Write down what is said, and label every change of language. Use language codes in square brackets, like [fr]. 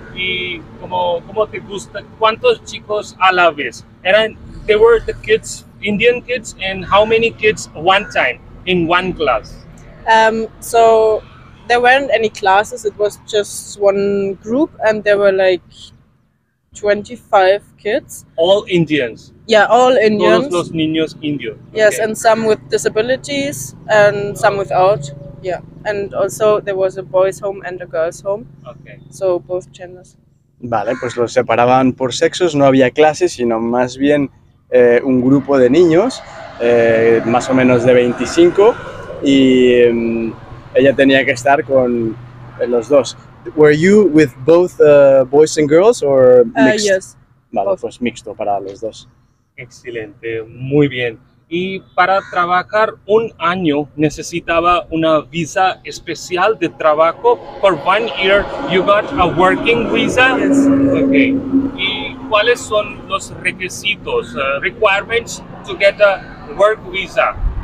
[es] Y cómo te gusta, ¿cuántos chicos a la vez? [en] They were the kids, Indian kids, and how many kids one time in one class? So there weren't any classes, it was just one group and there were like 25 kids. All Indians? Yeah, all Indians. [es] Todos los niños indios. [en] Yes, okay. And some with disabilities and some without. Yeah, and also there was a boys' home and a girls' home. Okay. So both genders. [es] Vale, pues los separaban por sexos, no había clases, sino más bien un grupo de niños, más o menos de 25, y ella tenía que estar con los dos. [en] Were you with both boys and girls or mixed? Yes. [es] Vale, pues mixto para los dos. Excelente, muy bien. Y para trabajar 1 año necesitaba una visa especial de trabajo. [en] For 1 year, you got a working visa. Yes. Okay. [es] ¿Y cuáles son los requisitos, [en] requirements to get a work visa?